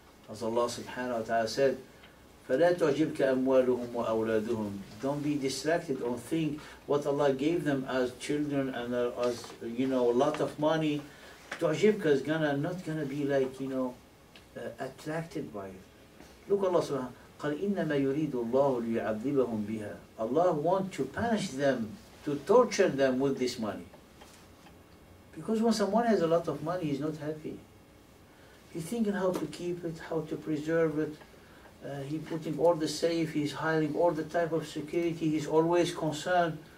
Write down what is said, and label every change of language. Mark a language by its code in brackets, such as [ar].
[en] As Allah subhanahu wa ta'ala said, [ar] فَلَا تُعْجِبْكَ أَمْوَالُهُمْ وَأَوْلَادُهُمْ. [en] Don't be distracted or think what Allah gave them as children and as, you know, a lot of money. تُعْجِبْكَ is gonna, not gonna be like, you know, attracted by it. Look, Allah subhanahu wa ta'ala, [ar] قَلْ إِنَّمَا يُرِيدُ اللَّهُ لِيُعَذِّبَهُمْ بِهَا. [en] Allah wants to punish them, to torture them with this money. Because when someone has a lot of money, he's not happy. He's thinking how to keep it, how to preserve it. He's putting all the safe, he's hiring all the type of security, he's always concerned.